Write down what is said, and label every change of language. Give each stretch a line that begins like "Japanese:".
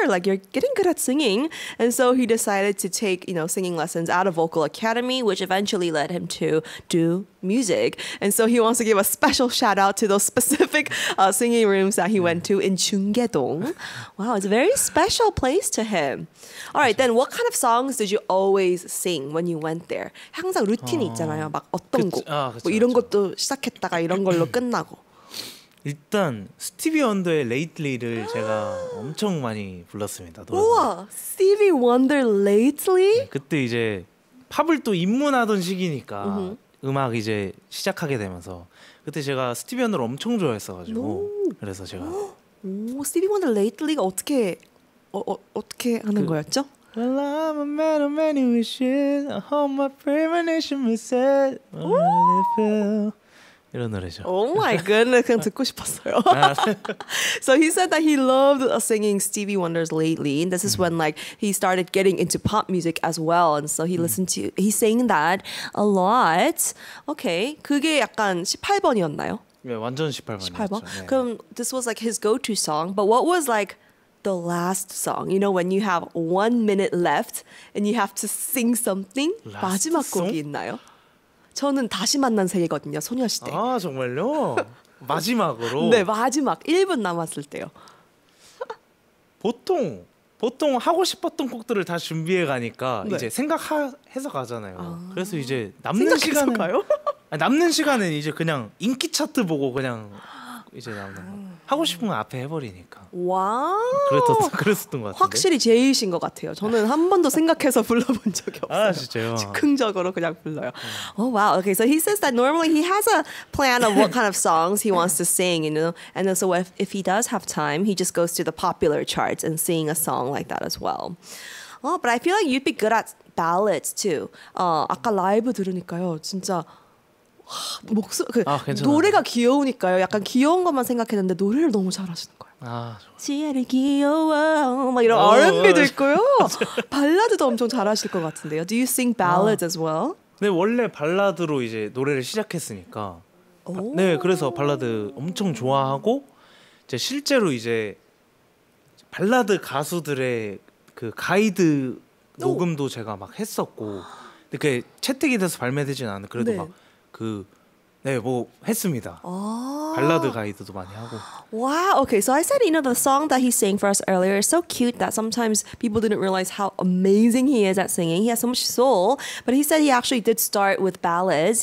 English: Like you're getting good at singing. And so he decided to take, you know, singing lessons at a vocal academy, which eventually led him to do music. And so he wants to give a special shout out to those specific singing rooms that he went to in 중계동. Wow, it's a very special place to him. All right, then what kind of songs did you always sing when you went there?
Korean: 항상 루틴이 있잖아요. 막 어떤 곡, 뭐 이런 것도 시작했다가 이런 걸로 끝나고. 일단 스티비 원더의 Lately를 제가 엄청 많이 불렀습니다. 우와, Stevie Wonder Lately? 네, 그때 이제 팝을 또 입문하던 시기니까 음악 이제 시작하게 되면서 그때 제가 스티비 원더를 엄청 좋아했어가지고 그래서 제가 오, Stevie Wonder Lately가 어떻게 어떻게 하는 거였죠?
English: Well, I'm a man of many wishes. I hope my premonition will set when I feel.
Korean: 이런 노래죠.
English: Oh my goodness,
Korean: 그냥 듣고 싶었어요.
English: So he said that he loved singing Stevie Wonder's Lately. And this is when like he started getting into pop music as well. And so he listened to, he sang that a lot.
Korean: Okay, 그게 약간 18번이었나요? 네, 완전 18번이었죠. 18번? 네.
English: 그럼 this was like his go-to song. But what was like the last song? You know, when you have 1 minute left and you have to sing something? Last
Korean: 마지막 곡이 있나요? 저는 다시 만난 세계거든요. 소녀시대. 아, 정말요? 마지막으로? 네, 마지막. 1분 남았을 때요. 보통 하고 싶었던 곡들을 다 준비해 가니까 네. 이제 생각해서 가잖아요. 그래서 이제 남는 시간은 가요? 남는 시간은 이제 그냥 인기 차트 보고 그냥 이제 남는 거. 하고 싶은 건 앞에 해버리니까. 와. 그랬었던 것 같아요. 확실히 제이신 것 같아요. 저는 한 번도 생각해서 불러본 적이 없어요. 아 진짜요? 즉흥적으로 그냥 불러요.
English: Oh wow. Okay. So he says that normally he has a plan of what kind of songs he wants to sing, you know. And so if he does have time, he just goes to the popular charts and sing a song like that as well. Oh, but I feel like you'd be good at ballads too.
Korean: 아까 라이브 들으니까요, 진짜 목소 그 노래가 귀여우니까요. 약간 귀여운 것만 생각했는데 노래를 너무 잘하시는 거예요. 아, 좋아. 지혜를 귀여워 막 이런 오, R&B도 있고요. 발라드도 엄청 잘하실 것 같은데요.
English: Do you sing ballads 아. as well?
Korean: 네, 원래 발라드로 이제 노래를 시작했으니까. 네, 그래서 발라드 엄청 좋아하고 이제 실제로 이제 발라드 가수들의 그 가이드 녹음도 오. 제가 막 했었고, 근데 그게 채택이 돼서 발매되진 않은 그래도 네. 막 그 네, 뭐 했습니다. 오. 발라드 가이드도 많이 하고.
English: Wow. Okay. So I said, you know, the song that he sang for us earlier is so cute that sometimes people didn't realize how amazing he is at singing. He has so much soul. But he said he actually did start with ballads.